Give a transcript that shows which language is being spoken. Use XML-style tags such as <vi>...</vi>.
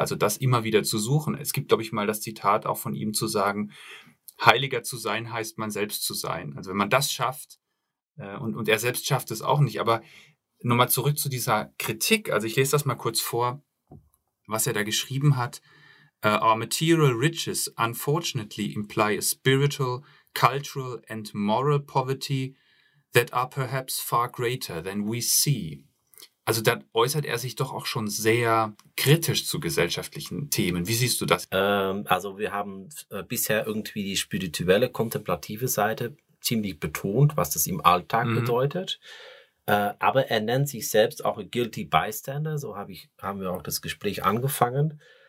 <de>Also das immer wieder zu suchen. Es gibt, glaube ich, mal das Zitat auch von ihm zu sagen, heiliger zu sein heißt, man selbst zu sein. Also wenn man das schafft, und er selbst schafft es auch nicht. Aber nochmal zurück zu dieser Kritik. Also ich lese das mal kurz vor, was er da geschrieben hat.</de> <en>Our material riches unfortunately imply a spiritual, cultural and moral poverty that are perhaps far greater than we see.</en> <de>Also da äußert er sich doch auch schon sehr kritisch zu gesellschaftlichen Themen. Wie siehst du das? Also wir haben bisher irgendwie die spirituelle, kontemplative Seite ziemlich betont, was das im Alltag bedeutet. Aber er nennt sich selbst auch ein Guilty Bystander, so haben wir auch das Gespräch angefangen.</de>